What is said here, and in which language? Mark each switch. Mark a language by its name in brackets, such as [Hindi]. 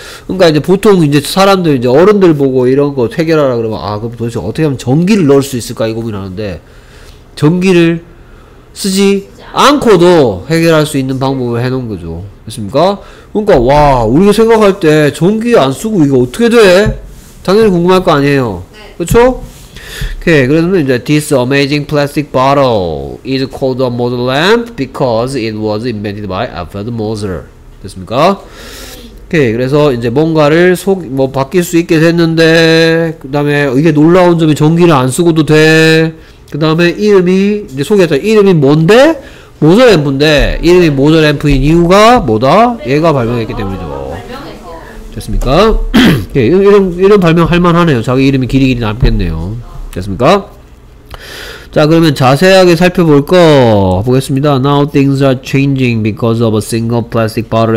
[Korean] 그러니까 이제 보통 이제 사람들 이제 어른들 보고 이런 거 해결하라 그러면 아 그럼 도대체 어떻게 하면 전기를 넣을 수 있을까 이 고민하는데 전기를 쓰지 않고도 해결할 수 있는 방법을 해놓은 거죠. 그렇습니까? 그러니까 와 우리가 생각할 때 전기 안 쓰고 이거 어떻게 돼? 당연히 궁금할 거 아니에요. 네. 그쵸? [English] Okay, [Korean] 그래서 이제 [English] This amazing plastic bottle is called a model lamp because it was invented by Alfred Moser. [Korean] 됐습니까? Okay, 그래서 이제 뭔가를 속, 뭐 바뀔 수 있게 됐는데 그 다음에 이게 놀라운 점이 전기를 안 쓰고도 돼. 그 다음에 이름이 이제 소개했다. 이름이 뭔데? 모저 램프인데 이름이 모저 램프인 이유가 뭐다? 얘가 발명했기 때문이죠. 됐습니까? 예, 이름 발명할 만하네요. 자기 이름이 길이 남겠네요. 됐습니까? 자 그러면 자세하게 살펴볼 거 보겠습니다. [English] Now things are changing because of a single plastic bottle.